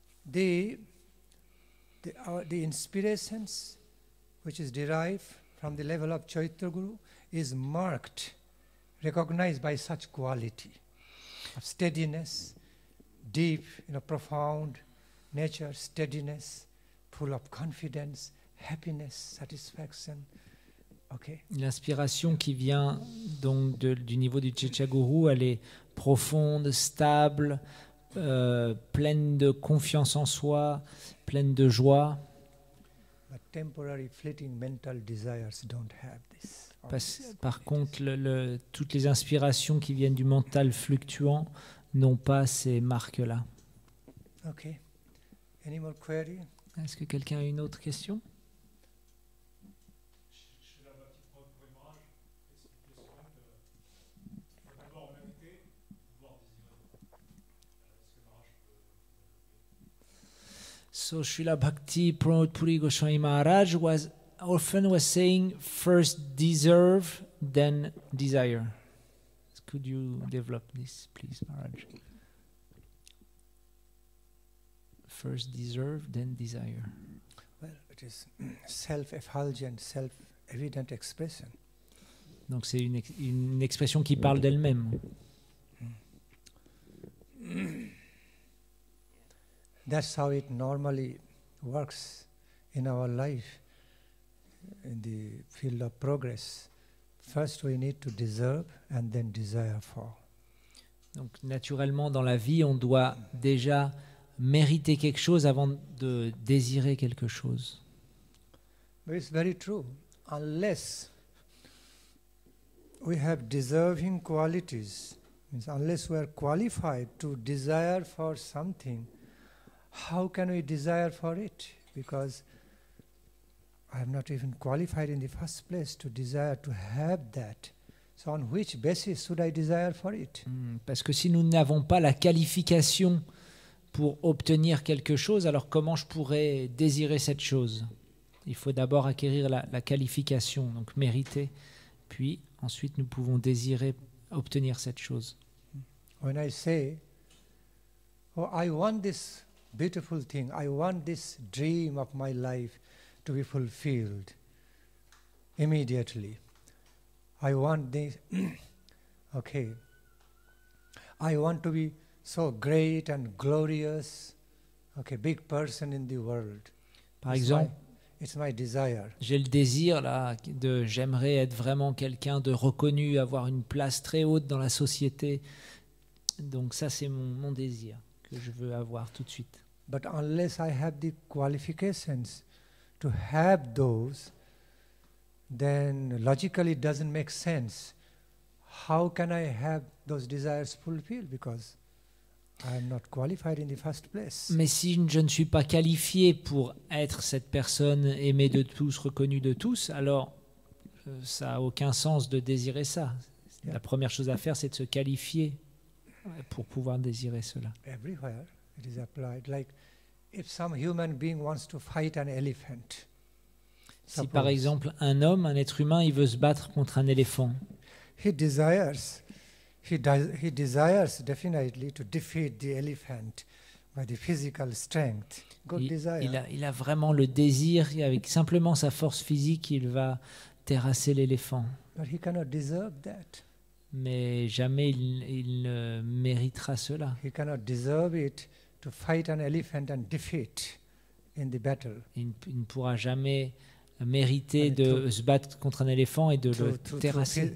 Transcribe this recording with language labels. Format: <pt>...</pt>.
<en>The inspirations which is derived from the level of Chaitra Guru is marked, recognized by such quality of steadiness, deep, you know, profound nature, steadiness, full of confidence, happiness, satisfaction. Okay.</en> <fr>L'inspiration qui vient donc du niveau du Chechaguru, elle est profonde, stable, pleine de confiance en soi, pleine de joie.</fr> <en>But temporary fleeting mental desires don't have this.</en> <fr>Par contre, toutes les inspirations qui viennent du mental fluctuant n'ont pas ces marques-là.</fr> <en>Okay. Any more query?</en> <fr>Est-ce que quelqu'un a une autre question?</fr> <en>So Srila Bhakti Pramod Puri Goswami Maharaj was often saying first deserve, then desire. Could you develop this, please, Maharaj? First deserve, then desire. Well, it is self-effulgent, self-evident expression.</en> <fr>Donc c'est une expression qui parle d'elle-même.</fr> <en>That's how it normally works in our life, in the field of progress. First we need to deserve and then desire for.</en> <fr>Donc naturellement dans la vie on doit déjà mériter quelque chose avant de désirer quelque chose.</fr> <en>But it's very true. Unless we have deserving qualities, means unless we are qualified to desire for something, how can we desire for it? Because I am not even qualified in the first place to desire to have that. So on which basis should I desire for it?</en> <fr>Parce que si nous n'avons pas la qualification pour obtenir quelque chose, alors comment je pourrais désirer cette chose? Il faut d'abord acquérir la qualification, donc mériter. Puis ensuite nous pouvons désirer obtenir cette chose.</fr> <en>When I say, oh, I want this beautiful thing, I want this dream of my life to be fulfilled immediately. I want this, okay. I want to be so great and glorious, okay, big person in the world.</en> <fr>Par exemple,</fr> <en>it's my desire.</en> <fr>J'ai le désir là, j'aimerais être vraiment quelqu'un de reconnu, avoir une place très haute dans la société. Donc ça, c'est mon désir que je veux avoir tout de suite.</fr> <en>But unless I have the qualifications to have those, then logically it doesn't make sense. How can I have those desires fulfilled? Because I am not qualified in the first place.</en> <fr>Mais si je ne suis pas qualifié pour être cette personne aimée de tous, reconnue de tous, alors ça n'a aucun sens de désirer ça. Yeah. La première chose à faire, c'est de se qualifier pour pouvoir désirer cela.</fr> <en>Everywhere it is applied. Like if some human being wants to fight an elephant,</en> <fr>si par exemple un être humain, il veut se battre contre un éléphant,</fr> <en>he desires definitely to defeat the elephant by the physical strength. Good desire.</en> <fr>Il a vraiment le désir, et avec simplement sa force physique, il va terrasser l'éléphant.</fr> <en>But he cannot deserve that.</en> <fr>Mais jamais il ne méritera cela.</fr> <en>He cannot deserve it to fight an elephant and defeat in the battle.</en> <fr>Il ne pourra jamais mériter de se battre contre un éléphant et de le terrasser.</fr>